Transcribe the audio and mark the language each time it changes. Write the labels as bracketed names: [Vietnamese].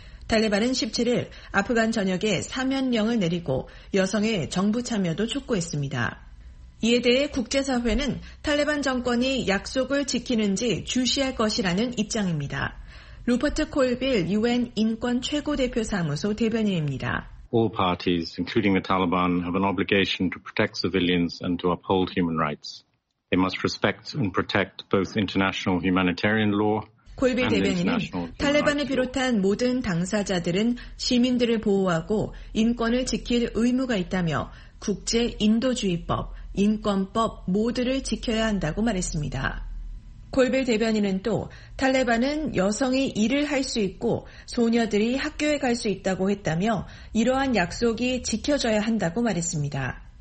[Korean] 탈레반은 17일 아프간 전역에 사면령을 내리고 여성의 정부 참여도 촉구했습니다. 이에 대해 국제사회는 탈레반 정권이 약속을 지키는지 주시할 것이라는 입장입니다. 루퍼트 콜빌 UN 인권 최고대표 사무소 대변인입니다. [English] All parties, including the Taliban, have an obligation to protect civilians and to uphold human rights. They must respect and protect both international humanitarian law and international human rights. [Korean] 콜비 대변인은 탈레반을 비롯한 모든 당사자들은 시민들을 보호하고 인권을 지킬 의무가 있다며 국제 인도주의법, 인권법 모두를 지켜야 한다고 말했습니다. 콜벨 대변인은 또 탈레반은 여성이 일을 할 수 있고 소녀들이 학교에 갈 수 있다고 했다며 이러한 약속이 지켜져야 한다고 말했습니다.